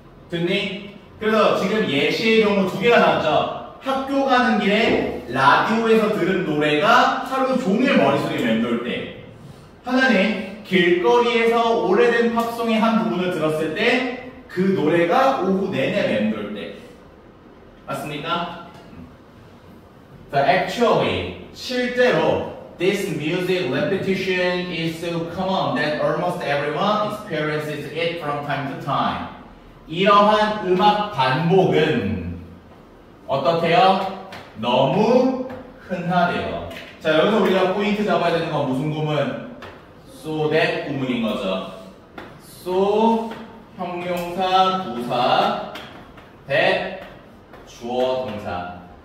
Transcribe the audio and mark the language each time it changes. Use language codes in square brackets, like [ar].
[ko] 듣니? 그래서 지금 예시의 경우 두 개가 나왔죠. 학교 가는 길에 라디오에서 들은 노래가 하루 종일 머릿속에 맴돌 때. 하나는 길거리에서 오래된 팝송의 한 부분을 들었을 때 그 노래가 오후 내내 맴돌 때. 맞습니까? [en] So actually, [ko] 실제로 [en] this music repetition is so common that almost everyone experiences it from time to time. [ko] 이러한 음악 반복은 어떻게요? 너무 흔하대요. 자, 여기서 우리가 포인트 잡아야 되는 건 무슨 구문? So that 구문인 거죠. So 형용사 부사 that 주어 동사.